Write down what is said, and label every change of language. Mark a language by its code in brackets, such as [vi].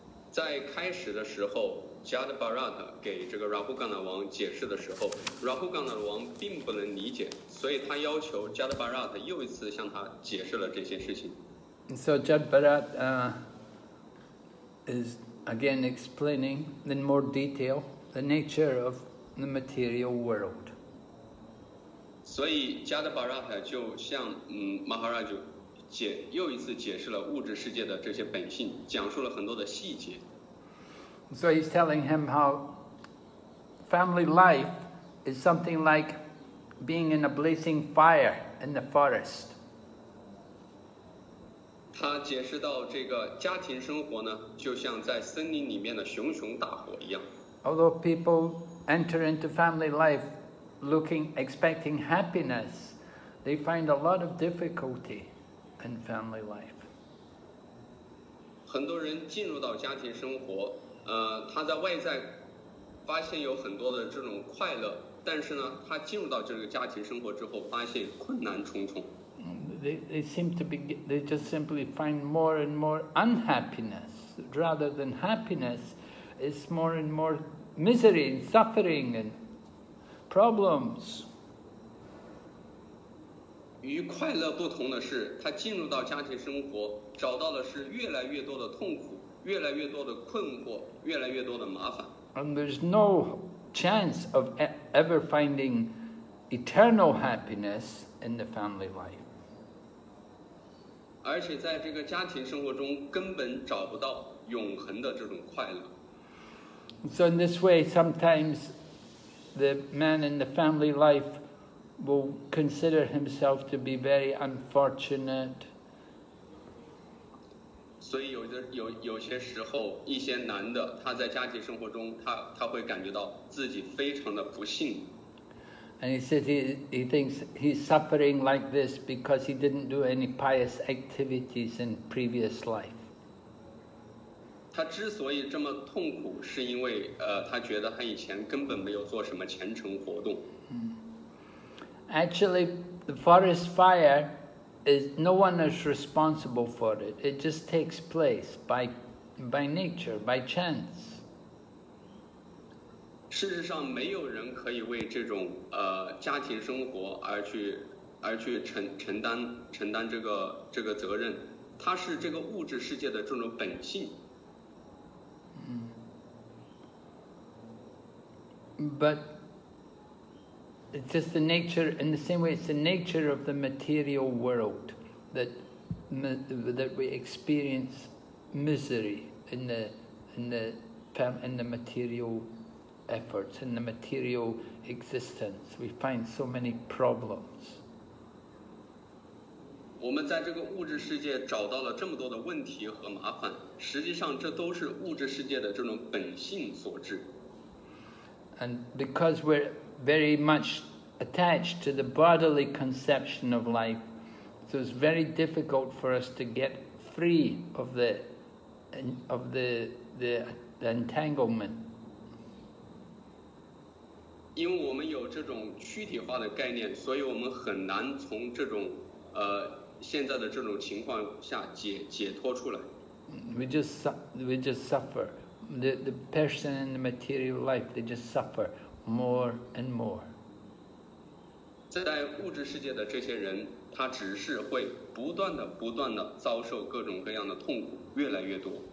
[zh] 在开始的时候 ,Jadbharat 给这个 Rahugana 王解释的时候 ,Rahugana 王并不能理解，所以他要求 Jadbharat 又一次向他解释了这些事情。 [en] So Jadbharat is again explaining in more detail the nature of the material world. [zh] 所以加德巴拉塔就向马哈拉就解又一次解释了物质世界的这些本性，讲述了很多的细节。 [en] So he's telling him how family life is something like being in a blazing fire in the forest. [zh] 他解释到这个家庭生活呢，就像在森林里面的熊熊大火一样。 [en] Although people enter into family life. Looking, expecting happiness, they find a lot of difficulty in family life. [zh] 很多人进入到家庭生活，他在外在发现有很多的这种快乐，但是呢，他进入到这个家庭生活之后，发现困难重重。 [en] They just simply find more and more unhappiness rather than happiness. It's more and more misery and suffering and. Problems. [zh] 与快乐不同的是，他进入到家庭生活，找到的是越来越多的痛苦，越来越多的困惑，越来越多的麻烦。 [en] And there's no chance of ever finding eternal happiness in the family life. [zh] 而且在这个家庭生活中，根本找不到永恒的这种快乐。 [en] So in this way, sometimes. The man in the family life will consider himself to be very unfortunate. [zh] 所以有些时候，一些男的他在家庭生活中，他会感觉到自己非常的不幸。 [en] And he says he thinks he's suffering like this because he didn't do any pious activities in previous life. [zh] 他之所以这么痛苦，是因为他觉得他以前根本没有做什么虔诚活动。 [en] actually the forest fire is no one is responsible for it. It just takes place by nature, by chance. [zh] 事实上没有人可以为这种家庭生活而去承担这个责任。它是这个物质世界的这种本性。 [en] But it's just the nature, in the same way, it's the nature of the material world that we experience misery in the material efforts, in the material existence. We find so many problems. [zh] 我们在这个物质世界找到了这么多的问题和麻烦，实际上这都是物质世界的这种本性所致。 [en] And because we're very much attached to the bodily conception of life, so it's very difficult for us to get free of the entanglement. [zh] 因为我们有这种躯体化的概念，所以我们很难从这种现在的这种情况下解脱出来。 [en] We just suffer. The person in the material life, they just suffer more and more. [zh] 在物质世界的这些人，他只是会不断的遭受各种各样的痛苦，越来越多。